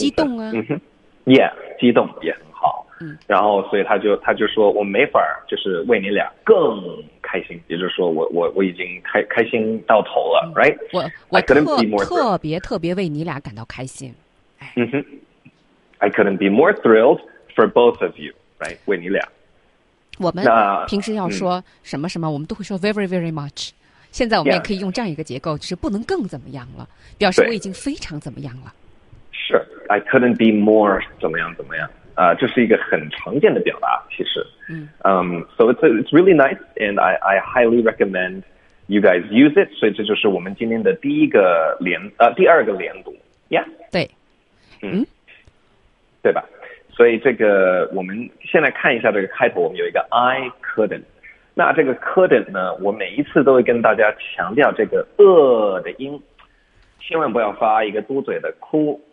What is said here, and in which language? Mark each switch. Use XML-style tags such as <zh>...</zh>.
<zh>激动啊、 yeah, 激动也很好、然后所以他就说我没法就是为你俩更开心，也就是说我已经开心到头了、right？我 特别为你俩感到开心、</zh> <en>I couldn't be more thrilled for both of you、right？</en> <zh>为你俩我们平时要说什么什么我们都会说</zh> <en>very very much，</en> <zh>现在我们也可以用这样一个结构，就是不能更怎么样了，表示我已经非常怎么样了。是</zh> <en>I couldn't be more</en> <zh>怎么样怎么样啊、这是一个很常见的表达其实。</zh> <en>So it's really nice and I highly recommend you guys use it。</en> <zh>所以这就是我们今天的第一个连第二个连读。 Yeah，对。对吧，所以这个我们现在看一下这个开头，我们有一个</zh> <en>I couldn't。</en> <zh>那这个 couldn't 呢，我每一次都会跟大家强调这个的音，千万不要发一个嘟嘴的哭，</zh>